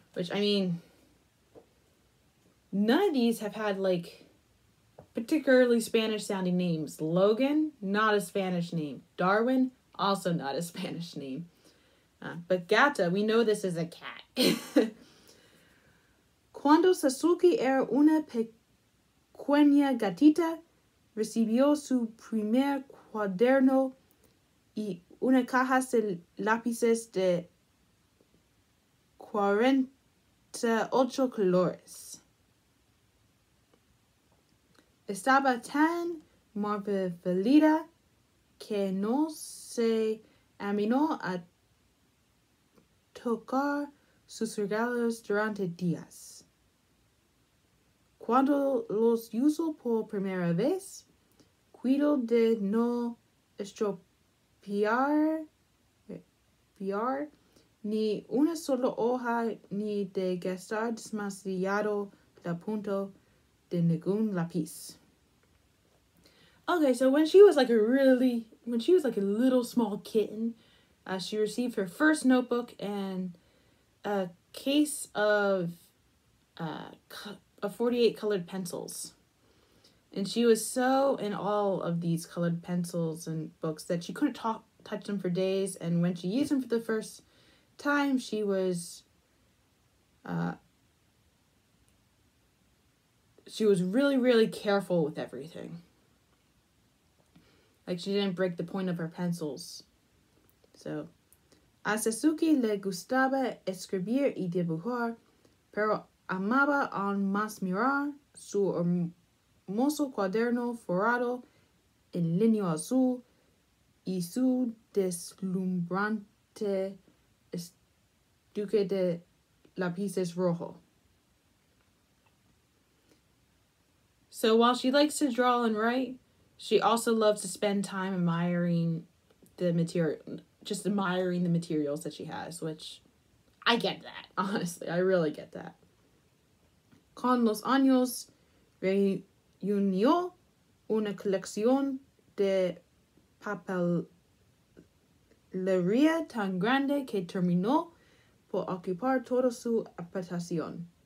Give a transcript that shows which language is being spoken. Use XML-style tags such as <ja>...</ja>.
<en>Which, I mean, none of these have had like particularly Spanish sounding names. Logan, not a Spanish name. Darwin, also not a Spanish name. But Gata, we know this is a cat.</en> <es>Cuando Sasuke era una pequeña gatita, recibió su primer cuaderno y una caja de lápices de 48 colores. Estaba tan maravillada que no se animó a tocar sus regalos durante días. Cuando los uso por primera vez, cuido de no estropear ni una sola hoja ni de gastar demasiado la punta de ningún lápiz.</es> <en>Okay, so when she was like a little small kitten, she received her first notebook, and a case of 48 colored pencils. And she was so in awe of these colored pencils and books that she couldn't touch them for days. And when she used them for the first time, she was really, really careful with everything. Like, she didn't break the point of her pencils.</en> <es>So, a Sasuke le gustaba escribir y dibujar, pero amaba aún más mirar su hermoso cuaderno forrado en lino azul y su deslumbrante estuque de lápices rojo.</es> <en>So while she likes to draw and write, she also loves to spend time admiring the material, just admiring the materials that she has, which I get that, honestly. I really get that.</en> <es>Con los años, reunió una colección de papelería tan grande que terminó por ocupar toda su habitación.</es>